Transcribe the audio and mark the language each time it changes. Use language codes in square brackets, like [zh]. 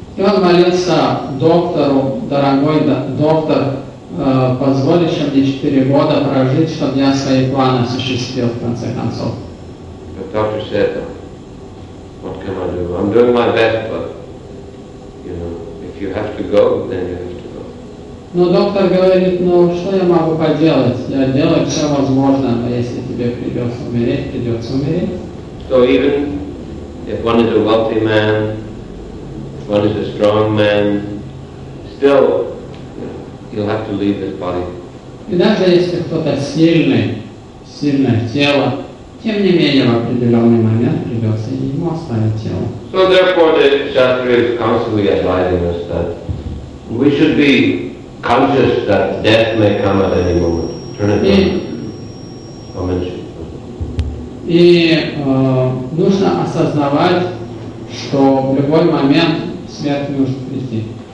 [ru] И он молился доктору, дорогой доктор. Позволишь мне 4 года прожить, чтобы я свои планы осуществил в конце концов. [en] The doctor said, what can I do? I'm doing my best, but you know, if you have to go, then you have to go. [ru] Но доктор говорит, ну что я могу поделать? Я делаю все возможное, но если тебе придется умереть, придется умереть. [en] So even if one is a wealthy man, if one is a strong man, still you'll have to leave this body. [ru] И даже если кто-то сильный, сильное тело, тем не менее в определенный момент придется ему оставить тело. [en] So therefore the Kshatriya is constantly advising us that we should be conscious that death may come at any moment. Turn it on. [ru] И нужно осознавать, что в любой момент смерть может прийти.